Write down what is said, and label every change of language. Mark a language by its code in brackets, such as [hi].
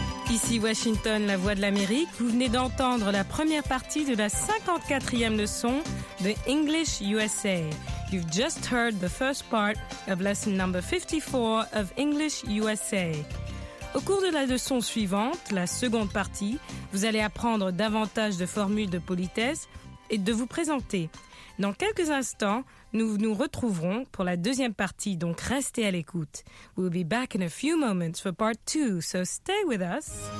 [fr] Ici Washington, la voix de l'Amérique, vous venez d'entendre la première partie de la 54e leçon de English USA. [en] You've just heard the first part of lesson number 54 of English USA. [fr] Au cours de la leçon suivante, la seconde partie, vous allez apprendre davantage de formules de politesse et de vous présenter. Dans quelques instants, nous nous retrouverons pour la deuxième partie, donc restez à l'écoute. [en] We'll be back in a few moments for part two, so stay with us.